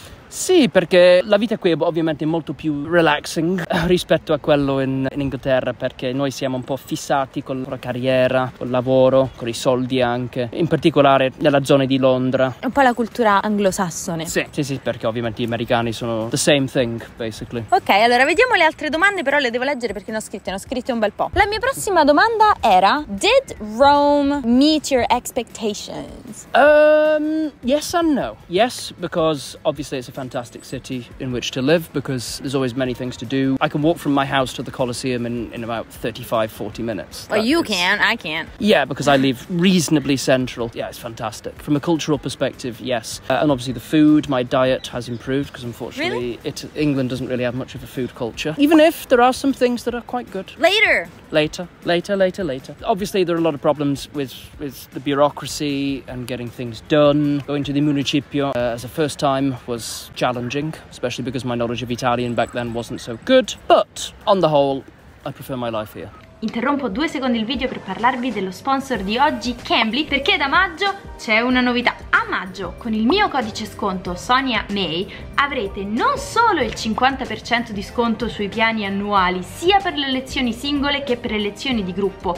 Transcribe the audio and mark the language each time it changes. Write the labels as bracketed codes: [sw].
[it] Sì, perché la vita qui è ovviamente molto più relaxing rispetto a quello in Inghilterra, perché noi siamo un po' fissati con la carriera, col lavoro, con i soldi anche, in particolare nella zona di Londra. È un po' la cultura anglosassone. Sì, perché ovviamente gli americani sono [en] the same thing, basically. [it] Ok, allora vediamo le altre domande, però le devo leggere perché ne ho scritte un bel po'. La mia prossima domanda era: [en] did Rome meet your expectations? Yes and no. Yes, because obviously it's a fantastic city in which to live, because there's always many things to do. I can walk from my house to the Colosseum in about 35-40 minutes. Well, I can't. Yeah, because I live reasonably central. Yeah, it's fantastic. From a cultural perspective, yes. And obviously the food, my diet has improved, because unfortunately England doesn't really have much of a food culture. Even if there are some things that are quite good. Later. Obviously there are a lot of problems with the bureaucracy and getting things done. Going to the Municipio as a first time was challenging, especially because my knowledge of Italian back then wasn't so good, but on the whole I prefer my life here. [it] Interrompo 2 secondi il video per parlarvi dello sponsor di oggi, Cambly, perché da maggio c'è una novità. A maggio, con il mio codice sconto Sonia May, avrete non solo il 50% di sconto sui piani annuali, sia per le lezioni singole che per le lezioni di gruppo.